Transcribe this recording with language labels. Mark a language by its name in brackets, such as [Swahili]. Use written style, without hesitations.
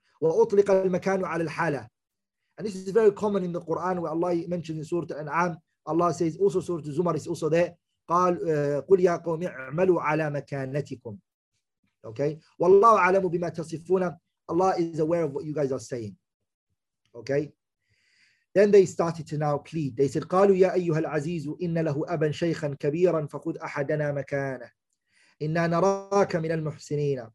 [Arabic] وأطلق المكان على الحالة. [English] And this is very common in the Quran where Allah mentions in Surah Al-An'am, Allah says, also Surah Zumar is also there, [Arabic] قال قل يا قوم اعملوا على مكانتكم. Okay, والله أعلم بما تصفون. [English] Allah is aware of what you guys are saying. Okay. Then they started to now plead. They said, [Arabic] قالوا يا أيها العزيز إن له أبا شيخا كبيرا فخذ أحدنا مكانه إنا نراك من المحسنين.